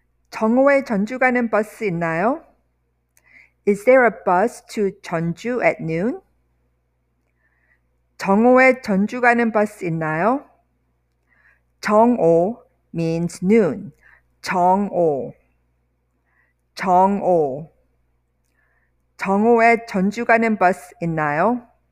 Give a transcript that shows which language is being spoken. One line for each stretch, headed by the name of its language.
Korean: 정오에 전주 가는 버스 있나요?
English: Is there a bus to 전주 at noon?
Korean: 정오에 전주 가는 버스 있나요?
English: 정오 means noon. 정오.
Korean: 정오. 정오에 전주 가는 버스 있나요?